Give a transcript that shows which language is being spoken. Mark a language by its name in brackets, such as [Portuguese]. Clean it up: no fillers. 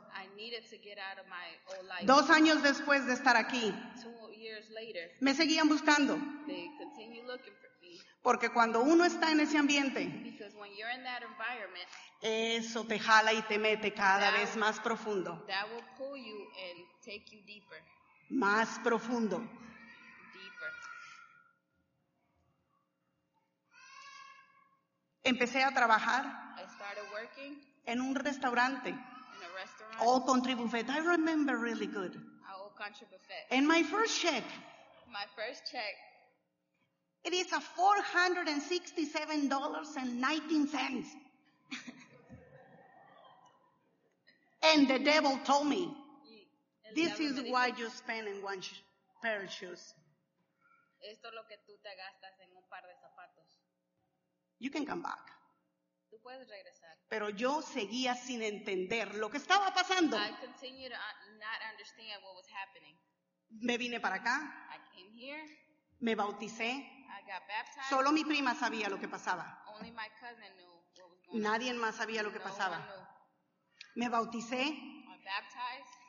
[English] I needed to get out of my old life. [Spanish] 2 años después de estar aquí. [English] 2 years later. [Spanish] Me seguían buscando. [English] They continue looking for me. [Spanish] Porque cuando uno está en ese ambiente, [English] because when you're in that environment, [Spanish] eso te jala y te mete cada vez más profundo. [English] That will pull you and take you deeper. [Spanish] Más profundo. [English] Deeper. [Spanish] Empecé a trabajar. [English] I started working. [Spanish] En un restaurante. [English] In a restaurant. Old Country Buffet. I remember really good. Old Country Buffet. And my first check. My first check. It is a $467.19. And the devil told me, this is why you spend in one pair of shoes. [Spanish] Esto es lo que tú te gastas en un par de zapatos. [English] You can come back. [Spanish] Tú puedes regresar. Pero yo seguía sin entender lo que estaba pasando. [English] I continued to not understand what was happening. [Spanish] Me vine para acá. [English] I came here. [Spanish] Me bauticé. [English] I got baptized. [Spanish] Solo mi prima sabía lo que pasaba. [English] Only my cousin knew what was going on. [Spanish] Nadie más sabía lo que pasaba. Me bauticé. [English] I baptized.